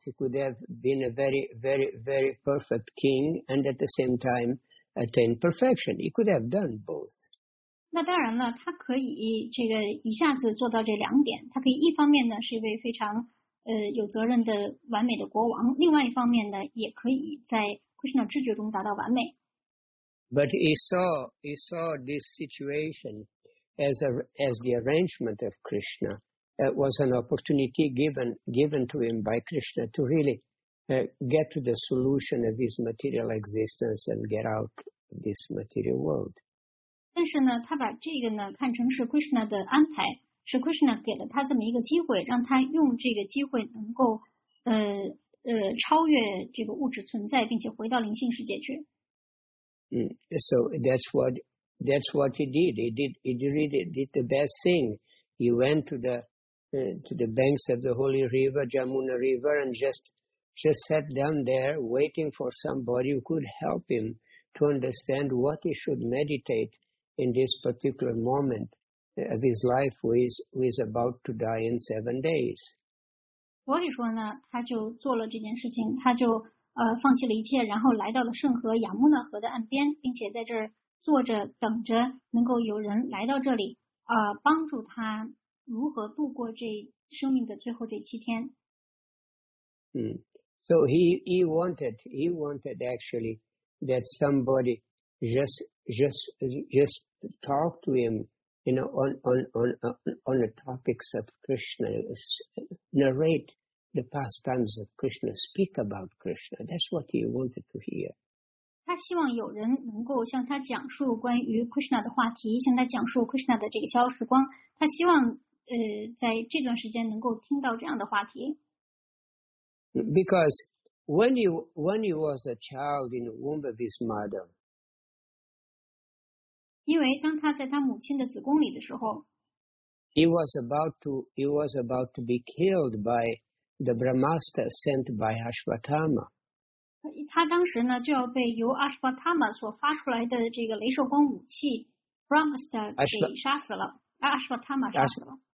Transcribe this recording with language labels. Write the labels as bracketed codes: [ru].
[en] He could have been a very, very, very perfect king and at the same time,attain perfection. He could have done both. [zh] 那当然了，他可以这个一下子做到这两点。他可以一方面呢是一位非常有责任的完美的国王，另外一方面呢也可以在 Krishna 知觉中达到完美。 [en] But he saw this situation as the arrangement of Krishna. It was an opportunity given to him by Krishna to really. Get to the solution of his material existence and get out of this material world. [zh] 但是呢，他把这个呢看成是 Krishna 的安排，是 Krishna 给了他这么一个机会，让他用这个机会能够超越这个物质存在，并且回到灵性世界去。 [en] So that's what he did. He really did the best thing. He went to the banks of the holy river, Jamuna River, and just sat down there waiting for somebody who could help him to understand what he should meditate in this particular moment of his life who is about to die in 7 days. [zh] 所以说呢，他就做了这件事情，他就放弃了一切，然后来到了圣河亚穆纳河的岸边，并且在这儿坐着等着能够有人来到这里帮助他如何度过这生命的最后这七天。 [en] So he wanted actually that somebody just talk to him, you know, on the topics of Krishna, narrate the pastimes of Krishna, speak about Krishna. That's what he wanted to hear. [zh] 他希望有人能够向他讲述关于 Krishna 的话题，向他讲述 Krishna 的这个消逝光。他希望在这段时间能够听到这样的话题。 [en] Because when he was a child in the womb of his mother, [zh] 因为当他在他母亲的子宫里的时候 [en] he was about to be killed by the Brahmastra sent by Ashwatthama. [zh] 他当时呢就要被由 Ashwatthama 所发出来的这个雷射光武器 Brahmastra 给杀死了 Ashwatthama 杀死了